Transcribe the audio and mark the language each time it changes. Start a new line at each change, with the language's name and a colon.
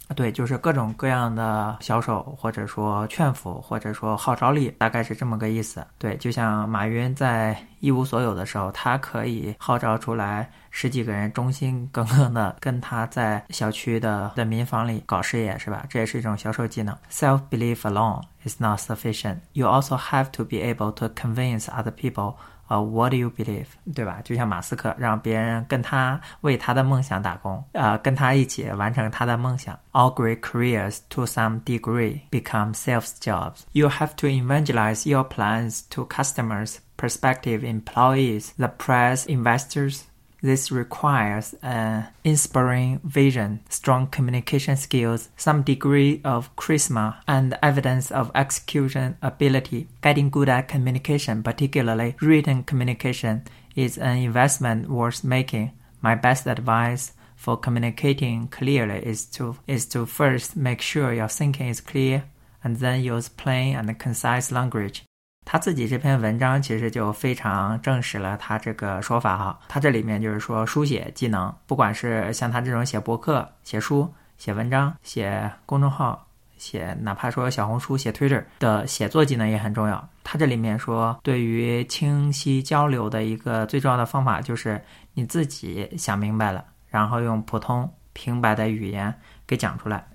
Chinese: 对，就是各种各样的销售，或者说劝服，或者说号召力，大概是这么个意思。对，就像马云在一无所有的时候，他可以号召出来十几个人忠心耿耿的跟他在小区的民房里搞事业，是吧？这也是一种销售技能。
English: Self belief alone is not sufficient. You also have to be able to convince other people of what you believe，
Chinese: 对吧？就像马斯克让别人跟他为他的梦想打工，跟他一起完成他的梦想。
English: All great careers to some degree become sales jobs. You have to evangelize your plans to customers, prospective employees, the press, investors. This requires an inspiring vision, strong communication skills, some degree of charisma, and evidence of execution ability. Getting good at communication, particularly written communication, is an investment worth making. My best advice for communicating clearly is to first make sure your thinking is clear, and then use plain and concise language.
Chinese: 他自己这篇文章其实就非常证实了他这个说法哈。他这里面就是说书写技能，不管是像他这种写博客、写书、写文章、写公众号、写哪怕说小红书、写 Twitter 的写作技能也很重要。他这里面说，对于清晰交流的一个最重要的方法就是你自己想明白了，然后用普通平白的语言给讲出来。